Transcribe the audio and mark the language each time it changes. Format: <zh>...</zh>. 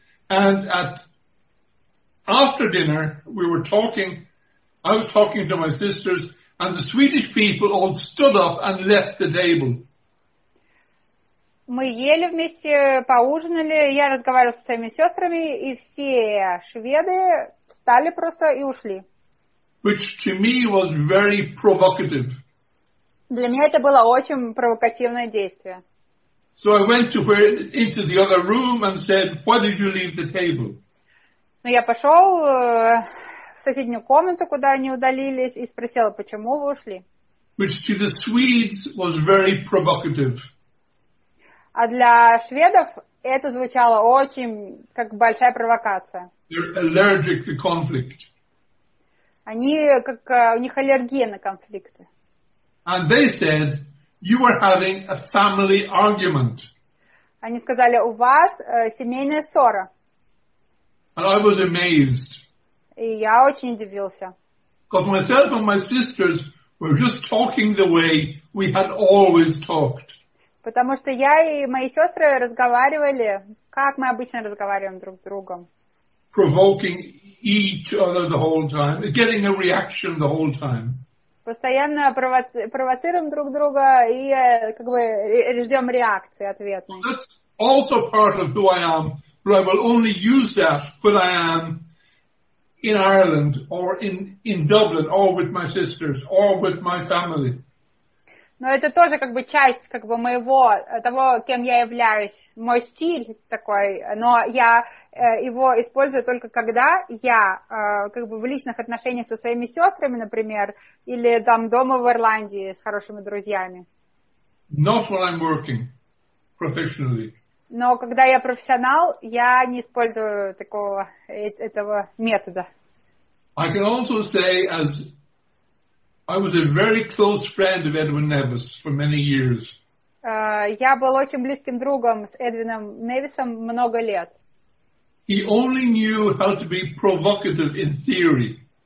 <en>And after dinner we were talking, I was talking to my sisters. And the Swedish people all stood up and left the table.</en> <ru>Мы ели вместе, поужинали. Я разговаривала со своими сестрами, и все шведы встали просто и ушли.</ru> <en>Which to me was very provocative.</en> <ru>Для меня это было очень провокативное действие.</ru> <en>So I went to where, into the other room and said, "Why did you leave the table?"</en> <ru>Ну я пошел в соседнюю комнату, куда они удалились, и спросила, почему вы ушли.</ru> <en>Which to the Swedes was very provocative.</en> <ru>А для шведов это звучало очень как большая провокация.</ru> <en>They're allergic to conflict.</en> <ru>Они как у них аллергия на конфликты.</ru> <en>And they said, you are having a family argument.</en> <ru>Они сказали, у вас семейная ссора.</ru> <en>And I was amazed.</en> <ru>И я очень удивился.</ru> <en>Because myself and my sisters were just talking the way we had always talked.</en> <ru>Потому что я и мои сестры разговаривали, как мы обычно разговариваем друг с другом.</ru> <en>Provoking each other the whole time, getting a reaction the whole time.</en> <ru>постоянно провоцируем друг друга и как бы ждем реакции ответной.</ru> <en>That's also part of who I am, but I will only use that when I am in Ireland or in Dublin or with my sisters or with my family.</en> <ru>Но это тоже как бы часть как бы моего, того, кем я являюсь, мой стиль такой, но я его использую только когда я как бы в личных отношениях со своими сестрами, например, или там дома в Ирландии с хорошими друзьями.</ru> <en>Not when I'm working professionally.</en> <ru>Но когда я профессионал, я не использую такого этого метода.</ru> <en>I can also say as I was a very close friend of Edwin Nevis for many years.</en> <ru>Я был очень близким другом с Эдвином Невисом много лет.</ru> <en>He only knew how to be provocative in theory.</en>